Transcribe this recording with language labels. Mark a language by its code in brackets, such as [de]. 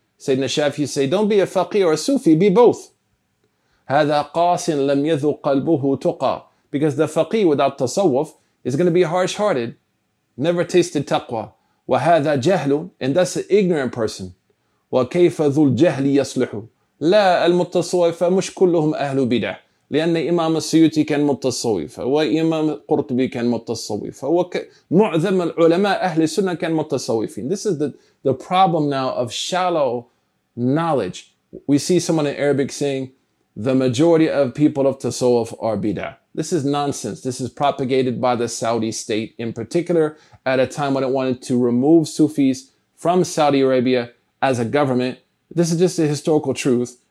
[en] Sayyidina Shafi used to say, don't be a faqih or a Sufi, be both. [ar] Hadha qasin lam yadhu qalbuhu tuqa. [en] Because the faqih without tasawwuf is going to be harsh-hearted, never tasted taqwa. [ar] Wa hadha jahlun, [en] and that's an ignorant person. [ar] Wa kayfa dhul jahli yaslihu. لا المتصوف مش كلهم أهل بدع لأن إمام السيوطي كان متصوفا وإمام قرطبي كان متصوفا ومعظم العلماء أهل السنة كان متصوفين [en] This is the problem now of shallow knowledge. We see someone in Arabic saying the majority of people of tasawuf are bidع. This is nonsense. This is propagated by the Saudi state in particular at a time when it wanted to remove Sufis from Saudi Arabia as a government. This is just a historical truth.